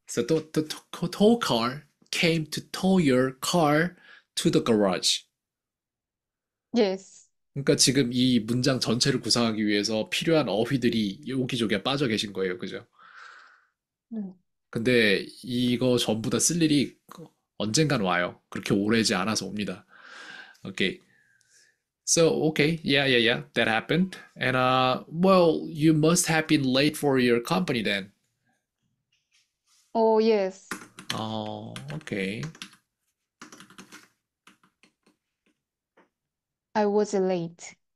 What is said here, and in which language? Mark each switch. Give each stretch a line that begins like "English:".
English: So the tow car came to tow your car to the garage. Yes.
Korean: 그러니까 지금 이 문장 전체를 구성하기 위해서 필요한 어휘들이 여기저기 빠져 계신 거예요. 그죠? 근데 이거 전부 다쓸 일이 언젠간 와요. 그렇게 오래지 않아서 옵니다.
English: 오케이. So, okay. Yeah. That happened. And well, you must have been late for your company then. Oh, yes. 오케이. I was late.